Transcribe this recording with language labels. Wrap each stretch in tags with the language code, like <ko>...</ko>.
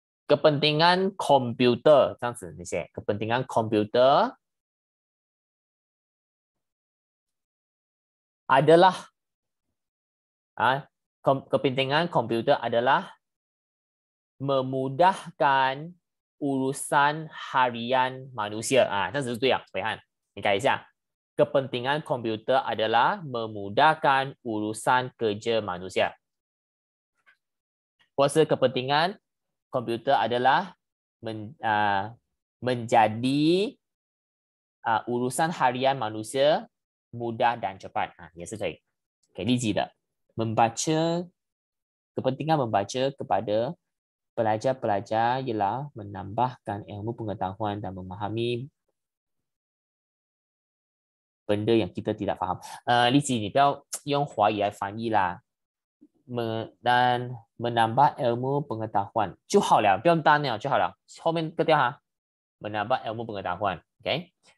<ms>kepentingan computer</ms> <zh>这样子你写</zh> <ms>，kepentingan computer。 Adalah kepentingan komputer adalah memudahkan urusan harian manusia.</ms> <zh>Ah, 这是对啊，伟汉，你改一下。</zh> <ms>Kepentingan komputer adalah memudahkan urusan kerja manusia.</ms> <zh>或是</zh> <ms>kepentingan komputer adalah menjadi urusan harian manusia. Mudah dan cepat ah, ya sekali. Okay, lazy dah. Membaca kepentingan membaca kepada pelajar-pelajar ialah menambahkan ilmu pengetahuan dan memahami benda yang kita tidak faham.</ms> <zh>Lazy, 你不要用华语来翻译啦。</zh> <ms>Menambah ilmu pengetahuan</ms> <zh>就好了，不用单了就好了。后面割掉哈。Menambah ilmu pengetahuan, okay?</zh>